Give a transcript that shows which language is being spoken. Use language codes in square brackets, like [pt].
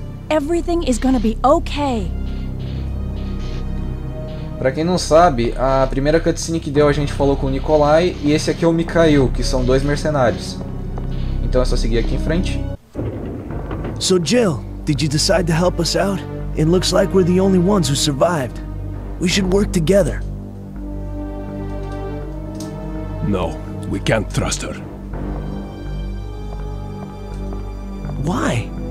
[en] Everything is gonna be okay. [pt] Pra quem não sabe, a primeira cutscene que deu a gente falou com o Nikolai e esse aqui é o Mikhail, que são dois mercenários. Então é só seguir aqui em frente. [en] So Jill, did you decide to help us out? It looks like we're the only ones who survived. We should work together. No, we can't trust her. Why?